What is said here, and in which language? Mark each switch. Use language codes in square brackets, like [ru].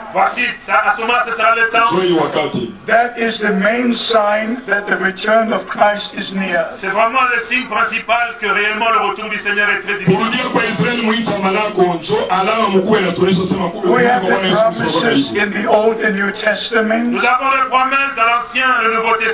[fr] Voici, à ce moment, ce sera le temps. [en] That is the main sign that the return of Christ is near. [fr] C'est vraiment le signe principal que réellement le retour du Seigneur est très imminent. [en] We have the promises in the Old and New Testament. [fr] Nous avons les promesses dans l'Ancien et le Nouveau Testament.